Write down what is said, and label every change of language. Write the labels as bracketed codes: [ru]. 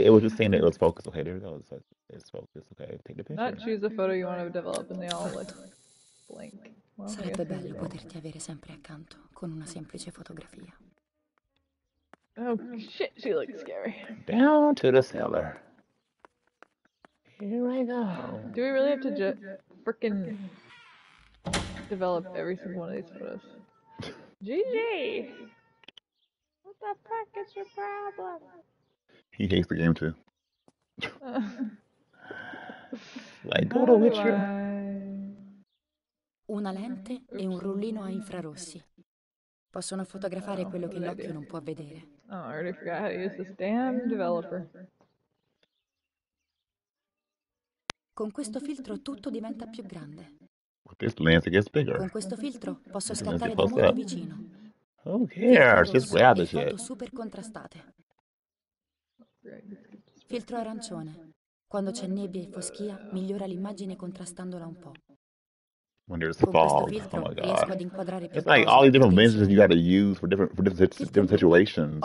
[en] It was just saying that it was focused. Okay, there it goes. It's focused. Okay, take the picture. Not choose a photo you want to develop, and they all look blank. [it] Well, sarebbe bello poterti avere sempre accanto con una semplice fotografia. [en] Oh shit, she looks scary. Down to the cellar. Here I go. Do we really have to frickin' develop every single one of these photos? GG! What the fuck is your problem? He hates the game too. Like, go to Witcher. [it] Una lente e un rullino a infrarossi. Possono fotografare quello che l'occhio non può vedere. [en] Oh, I already forgot how to use this damn developer. [it] Con questo filtro tutto diventa più grande. [en] With this lens, it gets bigger. [it] Con questo filtro posso scattare da molto vicino. [en] Who cares? Just grab the shit. [it] Super contrastate. Filtro arancione. Quando c'è nebbia e foschia, migliora l'immagine contrastandola un po'. [en] When there's fog, oh my god. It's like all these different lenses you gotta use for different situations.